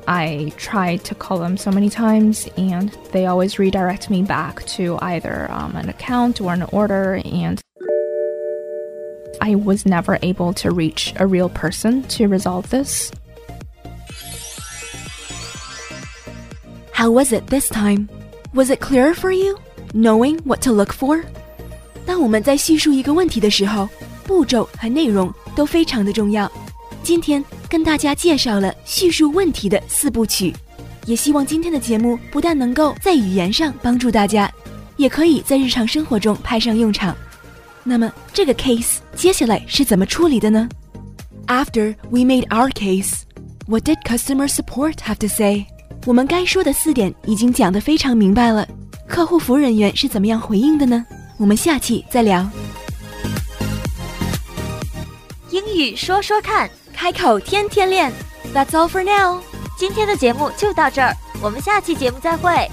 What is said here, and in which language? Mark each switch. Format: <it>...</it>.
<en>I tried to call them so many times, and they always redirect me back to either an account or an order, and I was never able to reach a real person to resolve this. How was it this time? Was it clearer for you, knowing what to look for?</en> <zh>当我们在叙述一个问题的时候，步骤和内容都非常的重要。今天跟大家介绍了叙述问题的四部曲，也希望今天的节目不但能够在语言上帮助大家，也可以在日常生活中派上用场。那么这个 case 接下来是怎么处理的呢？</zh> <en>After we made our case, what did customer support have to say?</en> <zh>我们该说的四点已经讲得非常明白了，客户服务人员是怎么样回应的呢？我们下期再聊。英语说说看，开口天天练。</zh> <en>That's all for now.</en> <zh>今天的节目就到这儿，我们下期节目再会。</zh>